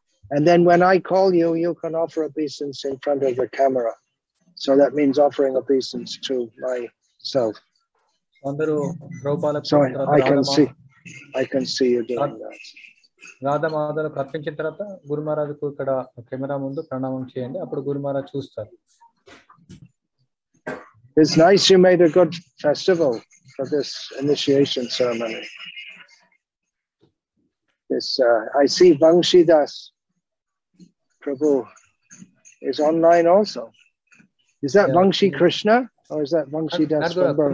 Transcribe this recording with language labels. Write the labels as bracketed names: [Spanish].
[English] And then when I call you, you can offer obeisance in front of the camera. So that means offering obeisance to myself. So I can see you doing that. [Telugu] Radha Madhava కర్పించిన తర్వాత గురు మహారాజుకు ఇక్కడ camera ముందు ప్రణామం చేయండి, అప్పుడు గురు మహారాజ్ చూస్తారు. [English] It's nice you made a good festival for this initiation ceremony. This I see Vanshidas Prabhu is online also. Is that Vanshi Krishna or is that Vanshidas Prabhu?